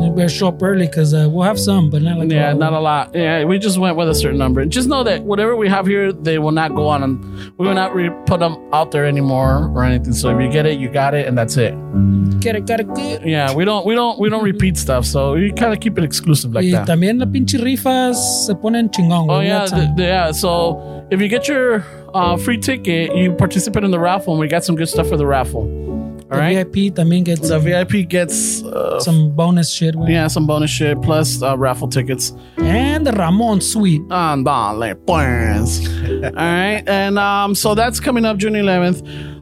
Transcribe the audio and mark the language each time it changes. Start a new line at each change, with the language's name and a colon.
English: You better show up early because we'll have some, but not like not a lot. Yeah, we just went with a certain number. Just know that whatever we have here, they will not go on, and we will not put them out there anymore or anything. So if you get it, you got it, and that's it. Get it, got it, good. Yeah, we don't repeat stuff. So you kind of keep it exclusive like y that.
Spanish: Y también la pinche rifas se ponen chingón.
English: Oh, yeah. Yeah. So if you get your free ticket, you participate in the raffle, and we got some good stuff for the raffle. All the right? VIP
Spanish: también
English: gets... The VIP gets... some bonus shit. Right? Yeah, some bonus shit plus raffle tickets. And the Ramon suite. And
Spanish: dale, pues.
English: All right. And so that's coming up June 11th.